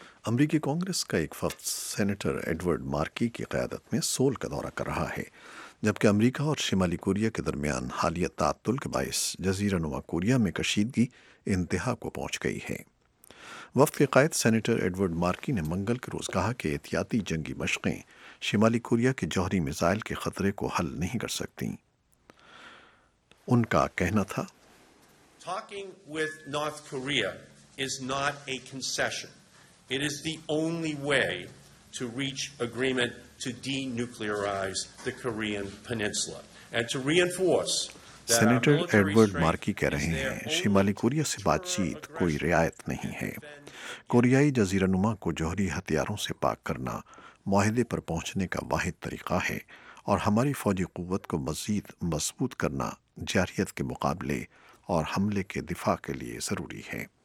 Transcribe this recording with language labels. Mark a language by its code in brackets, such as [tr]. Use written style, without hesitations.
[ur] امریکی کانگریس کا ایک وفد سینیٹر ایڈورڈ مارکی کی قیادت میں سول کا دورہ کر رہا ہے، جبکہ امریکہ اور شمالی کوریا کے درمیان حالیہ تعطل کے باعث جزیرہ نما کوریا میں کشیدگی انتہا کو پہنچ گئی ہے۔ وفد کے قائد سینیٹر ایڈورڈ مارکی نے منگل کے روز کہا کہ احتیاطی جنگی مشقیں شمالی کوریا کے جوہری میزائل کے خطرے کو حل نہیں کر سکتیں۔ ان کا کہنا تھا [en] Talking with North Korea is not a concession. It is the only way to reach agreement to denuclearize the Korean peninsula and to reinforce [ur] senator Edward مارکی کہہ رہے ہیں شمالی کوریا سے بات چیت کوئی رعایت نہیں ہے۔ کوریائی جزیرہ نما کو جوہری ہتھیاروں سے پاک کرنا معاہدے پر پہنچنے کا واحد طریقہ ہے، اور ہماری فوجی قوت کو مزید مضبوط کرنا جارحیت کے مقابلے اور حملے کے دفاع کے لیے ضروری ہے۔